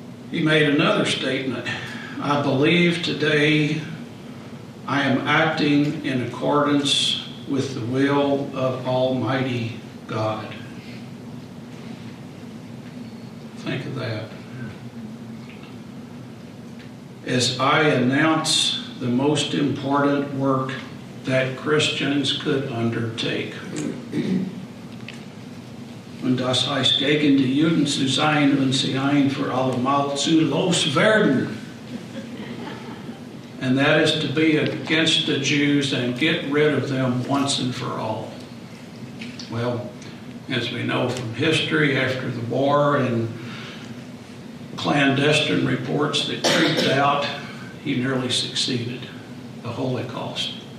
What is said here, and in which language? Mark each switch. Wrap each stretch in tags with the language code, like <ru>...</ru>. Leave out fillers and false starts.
<en>He made another statement. I believe today I am acting in accordance with the will of Almighty God. Think of that. As I announce the most important work that Christians could undertake.</en> <de>Und das heißt gegen die Juden zu sein und sie ein für alle Mal zu loswerden.</de> <en>And that is to be against the Jews and get rid of them once and for all. Well, as we know from history, after the war and clandestine reports that creeped out, he nearly succeeded. The Holocaust.</en>